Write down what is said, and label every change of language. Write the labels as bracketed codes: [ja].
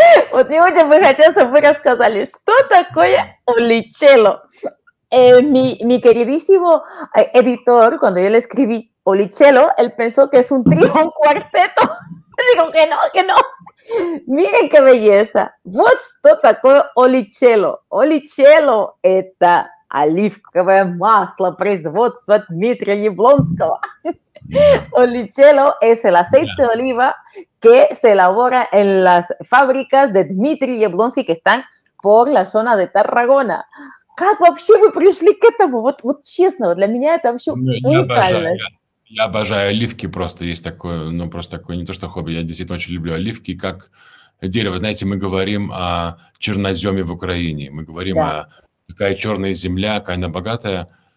[es] Pues digo, yo me voy a hacer las cosas, ¿tú te acuerdas olichelo? Mi queridísimo editor, cuando yo le escribí olichelo, él pensó que es un trío, un cuarteto. Digo, que no. Miren qué belleza. [en] What's to [ru] такое [es] olichelo? [ru] Olichelo – это оливковое масло производства Дмитрия Яблонского. [es] Olichelo es el aceite de oliva que se elabora en las fábricas de Дмитрий Яблонский, que están por la zona de Tarragona. [ru] Как вообще вы пришли к этому? Вот честно, для меня это вообще уникально. Я обожаю оливки, просто есть такое, ну, просто такое не то, что хобби, я действительно очень люблю оливки, как дерево. Знаете, мы говорим о черноземе в Украине, мы говорим, да, о такая черная земля, какая она богатая.